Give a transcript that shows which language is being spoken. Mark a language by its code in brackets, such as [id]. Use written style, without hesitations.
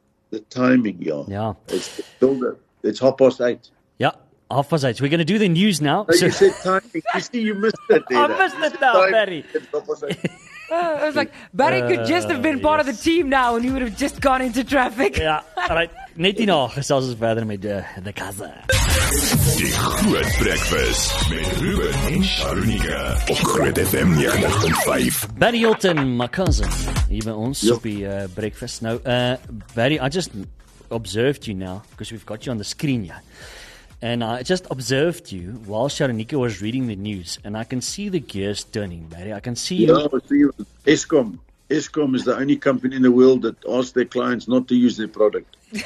[en] The timing, y'all. Yeah. It's the build-up. It's 8:30. Yeah. Half past eight. We're going to do the news now. No, you said timing. You see, you missed it. I missed it now, Barry. I was like, Barry could just have been part of the team now and he would have just gone into traffic. Yeah. All right. [af] Net hierna gesels ons verder met the Kaza. Die Groot Breakfast met Ruben en Sharunika op Groot FM 95.5. Barry Hilton, [en] my cousin, [af] hier bij ons op die breakfast. [en] Nou, Barry, I just observed you now because we've got you on the screen here. And I just observed you while Sharunika was reading the news, and I can see the gears turning, Barry. I can see you. Yeah, I see you. Eskom. Eskom is the only company in the world that asks their clients not to use their product.